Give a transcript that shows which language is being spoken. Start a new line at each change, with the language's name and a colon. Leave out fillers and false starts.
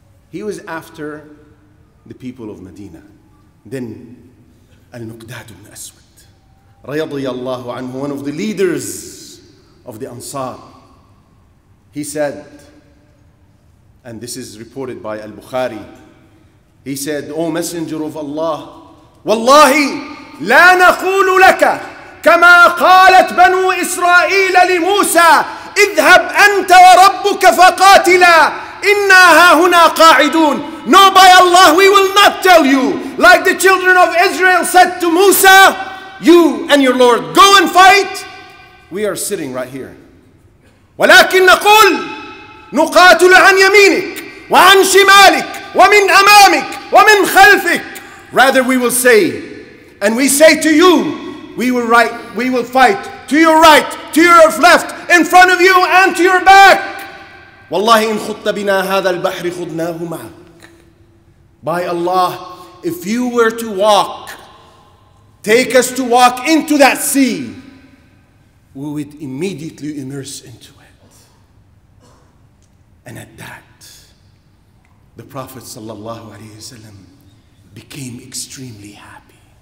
English: He was after the people of Medina. Then Al-Muqdad ibn Aswad, radiyallahu anhu, one of the leaders of the Ansar, he said, and this is reported by Al-Bukhari, he said, O Messenger of Allah,
Arabic: Wallahi, la naqulu laka kama qalat banu Israel li Musa, اذهب انت وربك فقاتلا انا هاهنا قاعدون.
English: No, by Allah, we will not tell you. Like the children of Israel said to Musa, you and your Lord, go and fight. We are sitting right here.
Arabic: ولكن نقول نقاتل عن يمينك وعن شمالك ومن أمامك ومن خلفك.
English: Rather, we will say, and we say to you, we will fight to your right, to your left, in front of you and to your back.
Arabic: والله إن خط بنا هذا البحر خذناه معك.
English: By Allah, if you were to walk, take us to walk into that sea, we would immediately immerse into it. And at that, the Prophet sallallahu alaihi wasallam became extremely happy.